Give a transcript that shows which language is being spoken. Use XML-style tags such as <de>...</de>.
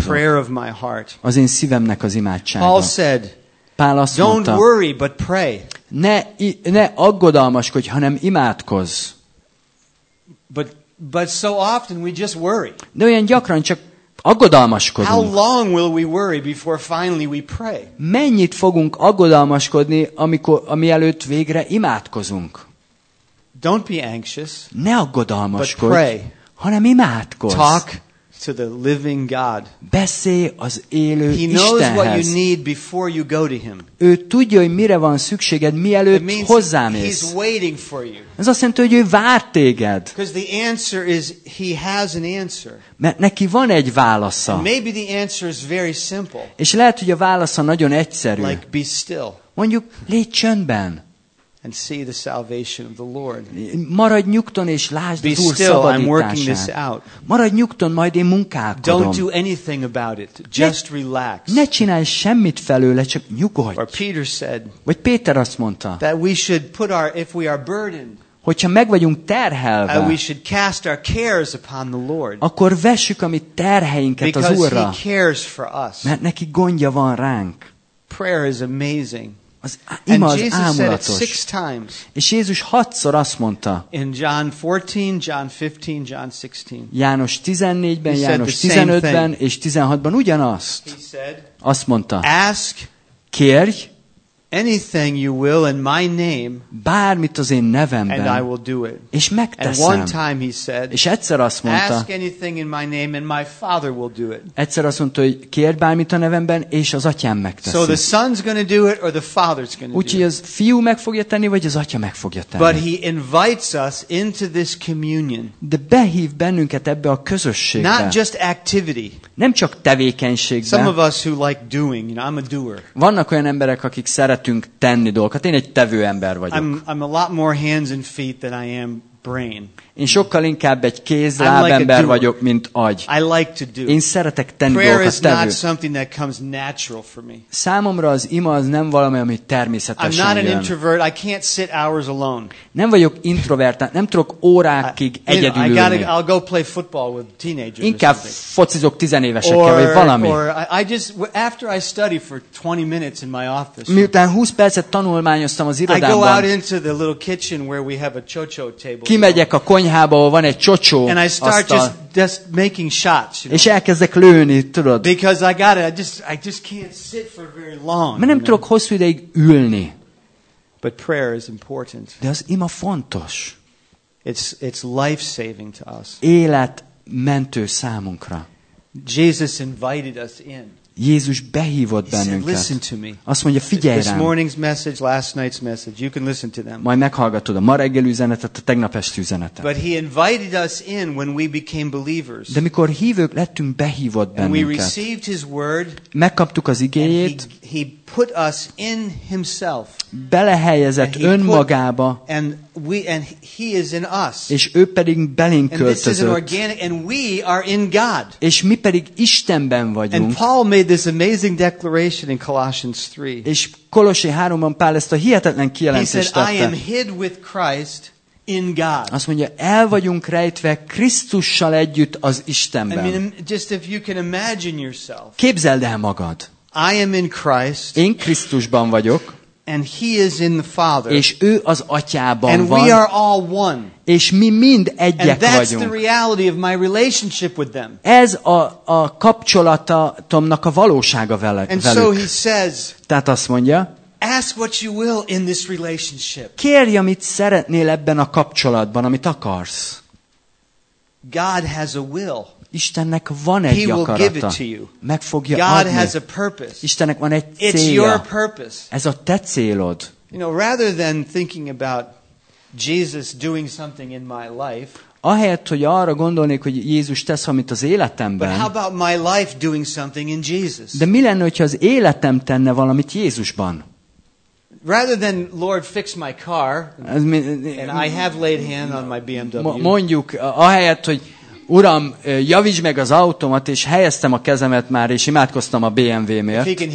<en>The prayer of my heart.</en> <hu>Az én szívemnek az imádsága.</hu> <en>Paul said.</en> <hu>Pál azt</hu> <en>don't</en> <hu>mondta.</hu> <en>Don't worry, but pray.</en> <hu>Ne aggodalmaskodj, hanem imádkozz.</hu> <en>But so often we just worry.</en> <hu>De olyan gyakran csak aggodalmaskodunk.</hu> <en>How long will we worry before finally we pray?</en> <hu>Mennyit fogunk aggodalmaskodni, amielőtt végre imádkozunk?</hu> <en>Don't be anxious.</en> <hu>Ne aggodalmaskodj.</hu> <en>But pray.</en> <hu>Hanem imádkozz.</hu> <en>Talk to the living God.</en> <hu>Beszélj az élő</hu> <en>He</en> <hu>Istenhez.</hu> <en>Knows what you need before you go to him.</en> <hu>Ő tudja, hogy mire van szükséged, mielőtt hozzámész.</hu> <en>He's waiting for you.</en> <hu>Ez azt jelenti, hogy ő vár téged.</hu> <en>Because the answer is he has an answer.</en> <hu>Mert neki van egy válasza.</hu> <en>And maybe the answer is very simple.</en> <hu>És lehet, hogy a válasza nagyon egyszerű.</hu> <en>Like be still.</en> <hu>Mondjuk légy csöndben.</hu> <en>And see the salvation of the Lord.</en> <hu>Maradj nyugton és lásd az Úr szabadítását.</hu> <en>I'm working this out.</en> <hu>Maradj nyugton, majd én munkálkodom.</hu> <en>Don't do anything about it. Just relax.</en> <hu>Ne csinálj semmit felőle, csak nyugodj.</hu> <en>Or Peter said.</en> <hu>Vagy Péter azt mondta.</hu> <en>That we should put our if we are burdened.</en> <hu>Hogyha meg vagyunk terhelve,</hu> <en>we should cast our cares upon the Lord,</en> <hu>akkor vessük a mi terheinket az Úrra,</hu> <en>he cares for us.</en> <hu>Mert neki gondja van ránk.</hu> <en>Prayer is amazing.</en> <hu>Az ima az álmulatos.</hu> <en>Said it six times.</en> <hu>És Jézus hatszor azt mondta.</hu> <en>In John 14, John 15, John 16.</en> <hu>János 14-ben, János 15-ben és 16-ban ugyanazt.</hu> <en>He said,</en> <hu>azt mondta.</hu> <en>Ask,</en> <hu>kérj,</hu> <en>anything you will in my name,</en> <hu>bármit az én nevemben,</hu> <en>and I will do it.</en> <hu>És megteszem.</hu> <en>And one time he said,</en> <hu>és egyszer azt mondta,</hu> <en>ask anything in my name and my Father will do it.</en> <hu>Egyszer azt mondta, hogy kérd bármit a nevemben, és az Atyám megteszi.</hu> <en>So the Son's going to do it or the Father's going to do it.</en> <hu>Úgyhogy az Fiú meg fogja tenni, vagy az Atya meg fogja tenni.</hu> <en>But he invites us into this communion.</en> <hu>De behív bennünket ebbe a közösségbe.</hu> <en>Not just activity.</en> <hu>Nem csak tevékenységbe.</hu> <en>Some of us who like doing, you know, I'm a doer.</en> <hu>Vannak olyan emberek, akik szeretünk tenni dolgokat. Én egy tevő ember vagyok.</hu> <en>I'm a lot more hands and feet than I am brain.</en> <hu>Én sokkal inkább egy kézláb ember vagyok, mint agy.</hu> <en>I like to do.</en> <hu>Én szeretek tenni</hu> <en>prayer Prayer is not something that comes natural for me.</en> <hu>Számomra az ima az nem valami, ami természetesen jön.</hu> <en>I'm not an introvert. I can't sit hours alone.</en> <hu>Nem vagyok introvert, nem tudok órákig egyedül ülni.</hu> <en>I'll go play football with teenagers.</en> <hu>Inkább focizok tizenévesekkel, vagy valami.</hu> <en>After I study for 20 minutes in my office.</en> <hu>Miután 20 percet tanulmányoztam az irodámban.</hu> <en>I go out into the little kitchen where we have a cho-cho table.</en> <hu>Kimegyek a konyhába, ahol van egy csocsó</hu> <en>asztal. Just making shots, you know?</en> <hu>És elkezdek lőni, tudod?</hu> <en>Because I got it. I just can't sit for very long.</en> <hu>Mert nem tudok hosszú ideig ülni.</hu> <en>But prayer is important.</en> <hu>De az ima fontos.</hu> <en>It's life-saving to us.</en> <hu>Életmentő számunkra.</hu> <en>Jesus invited us in.</en> <hu>Jézus behívott bennünket.</hu> <en>Listen to me.</en> <hu>Azt mondja, figyelj rám.</hu> <en>This morning's message, last night's message, you can listen to them.</en> <hu>Majd meghallgatod a ma reggel üzenetet, a tegnap esti üzenetet.</hu> <en>But he invited us in when we became believers.</en> <hu>De mikor hívők lettünk, behívott bennünket.</hu> <en>And we received his word.</en> <hu>Megkaptuk az igéjét.</hu> <en>He put us in himself.</en> <hu>Belehelyezett önmagába.</hu> <en>And he is in us.</en> <hu>És ő pedig belénk költözött.</hu> <en>And this is an organic, and we are in God.</en> <hu>És mi pedig Istenben vagyunk.</hu> <en>And Paul made this amazing declaration in Colossians 3.</en> <hu>És Kolossé 3-ban Pál ezt a hihetetlen kijelentést tette.</hu> <en>He said, I am hid with Christ in God.</en> <hu>Azt mondja, el vagyunk rejtve Krisztussal együtt az Istenben.</hu> <en>I mean, just if you can imagine yourself.</en> <hu>Képzeld el magad.</hu> <en>I am in Christ.</en> <hu>Én Krisztusban vagyok.</hu> <en>And he is in the Father.</en> <hu>És ő az Atyában</hu> <en>and</en> <hu>van.</hu> <en>We are all one.</en> <hu>És mi mind egyek</hu> <en>and that's</en> <hu>vagyunk.</hu> <en>The reality of my relationship with them.</en> <hu>Ez a kapcsolatomnak a valósága velük.</hu> <en>And so he says,</en> <hu>tehát azt mondja,</hu> <en>ask what you will in this relationship.</en> <hu>Kérj, amit szeretnél ebben a kapcsolatban, amit akarsz.</hu> <en>God has a will.</en> <hu>Istennek van egy akarata. Meg fogja adni. Istennek van egy célja. Ez a te célod.</hu> <en>You know, rather than thinking about Jesus doing something in my life,</en> <hu>ahelyett, hogy arra gondolnék, hogy Jézus tesz valamit az életemben.</hu> <en>But how about my life doing something in Jesus?</en> <hu>De mi lenne, hogyha az életem tenne valamit Jézusban?</hu> <en>Rather than Lord fix my car, and I have laid hand on my BMW.</en> <hu>Mondjuk, ahelyett, hogy Uram, javítsd meg az automat, és helyeztem a kezemet már, és imádkoztam a BMW-mért.</hu>